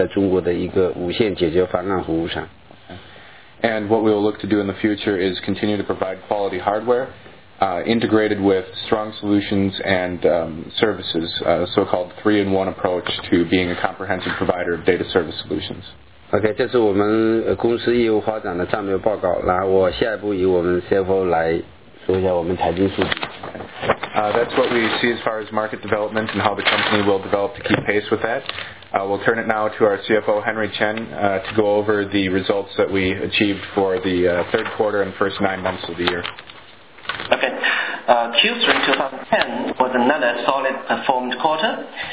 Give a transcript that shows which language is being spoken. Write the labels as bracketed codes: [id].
[zh] 所以说我们未来的市场策略，我们是提供不但是提供产品，我们主要是提供服务和应用商务一体的，我们这样子的在中国的一个无线解决方案和无线。 [en] And what we will look to do in the future is continue to provide quality hardware integrated with strong solutions and services, a so-called three-in-one approach to being a comprehensive provider of data service solutions. [zh] OK, 这是我们公司业务发展的战略报告，来，我下一步由我们 CFO 来说一下我们财经数据。 [en] That's what we see as far as market development and how the company will develop to keep pace with that. We'll turn it now to our CFO, Henry Chen, to go over the results that we achieved for the third quarter and first 9 months of the year. Okay. Q3 2010 was another solid performed quarter.